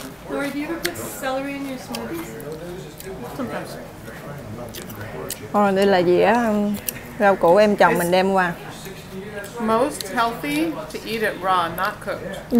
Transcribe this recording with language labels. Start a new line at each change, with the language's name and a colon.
English: Lori, do you ever put celery in your smoothies? Sometimes.
Vietnamese: Oh, đây là dĩa rau củ em chồng mình đem qua.
English: Most healthy to eat it raw, not cooked.